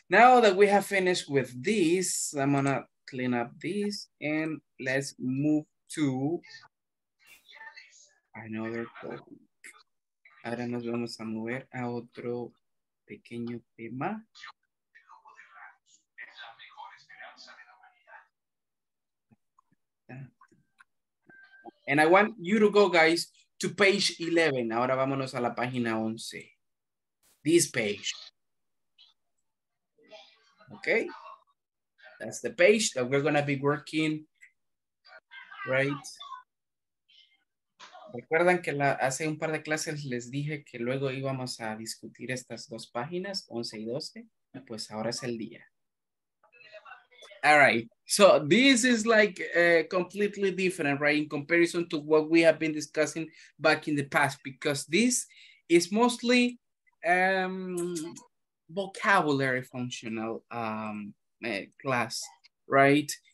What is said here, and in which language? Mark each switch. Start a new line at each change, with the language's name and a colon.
English: Now that we have finished with this, I'm gonna clean up this and let's move to another topic.
Spanish: Ahora nos vamos a mover a otro pequeño tema.
English: And I want you to go, guys, to page 11.
Spanish: Ahora vámonos a la página 11.
English: This page. Okay? That's the page that we're going to be working. Right?
Spanish: ¿Recuerdan que hace un par de clases les dije que luego íbamos a discutir estas dos páginas, 11 y 12? Pues ahora es el día.
English: All right. So this is like completely different, right, in comparison to what we have been discussing back in the past, because this is mostly vocabulary functional class, right?